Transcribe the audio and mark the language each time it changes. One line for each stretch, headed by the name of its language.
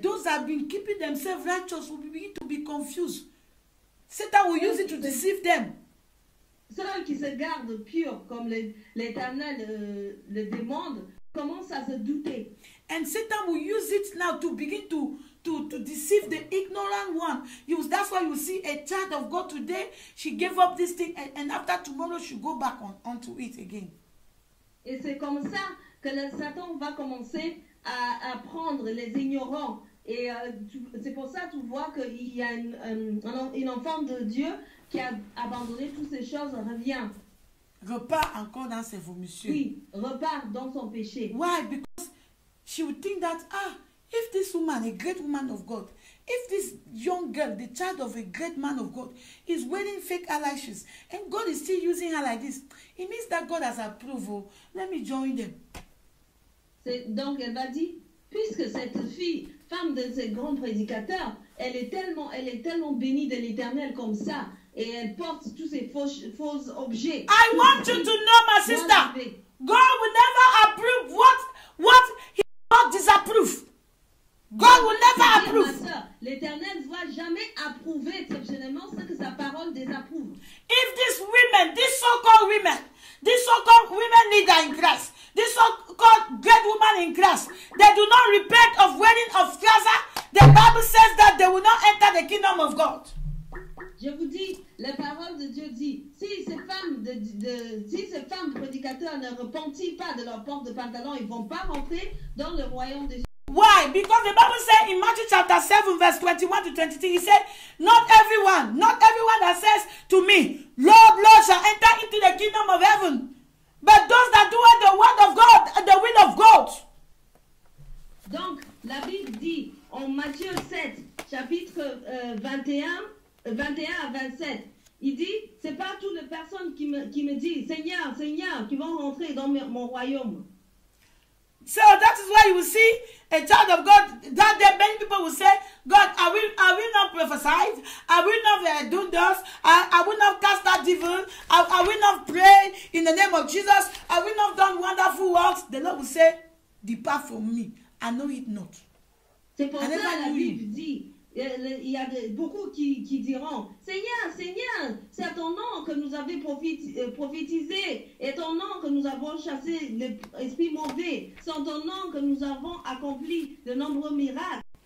English: Those have been keeping themselves righteous will begin to be confused. Satan will use it to deceive them.
French: Ceux qui se gardent purs comme l'Éternel le demande commencent à se douter.
English: And Satan will use it now to begin to deceive the ignorant one. That's why you see a child of God today, she gave up this thing and after tomorrow she go back onto it again.
French: Et c'est comme ça que le Satan va commencer à prendre les ignorants. Et c'est pour ça que tu vois qu'il y a une enfant de Dieu qui a abandonné toutes ces choses, revient. Repart encore dans ses vœux, monsieur. Oui, repart dans son péché.
English: Why? Because she would think that, if this woman, a great woman of God, if this young girl, the child of a great man of God, is wearing fake eyelashes, and God is still using her like this, it means that God has approval. Let me join them.
French: Donc elle va dire, puisque cette fille, femme de ce grand prédicateur, elle est tellement bénie de l'Éternel comme ça, et elle porte tous ces faux objets.
English: I want you to know, my sister, God will never approve what he will disapprove. God will never approve.
French: Ma soeur, l'Éternel ne va jamais approuver exceptionnellement ce que sa parole désapprouve.
English: If these women, these so-called women, these so-called women leader in Christ, these so-called great women in Christ, they do not repent of wearing of Gaza, the Bible says that they will not enter the kingdom of God.
French: Je vous dis, la parole de Dieu dit, si ces femmes de prédicateurs ne repentent pas de leur porte de pantalon, ils ne vont pas rentrer dans le royaume des.
English: Why? Because the Bible says in Matthew chapter 7, verse 21 to 23, he said, not everyone that says to me, Lord, Lord, shall enter into the kingdom of heaven, but those that do the word of God and the will of God.
French: Donc, la Bible dit en Matthieu 7, chapitre 21 à 27, il dit, c'est pas toutes les personnes qui me disent, Seigneur, Seigneur, qui vont rentrer dans mon royaume.
English: So that is why you will see a child of God, that day many people will say, God, I will not prophesy, I will not do this, I will not cast that devil, I will not pray in the name of Jesus, I will not do wonderful works. The Lord will say, depart from me, I know it not.
French: C'est pour ça la Bible dit, il y a beaucoup qui diront, Seigneur, Seigneur, c'est à ton nom que nous avons prophétisé, et ton nom que nous avons chassé les esprits mauvais, c'est ton nom que nous avons accompli de nombreux miracles.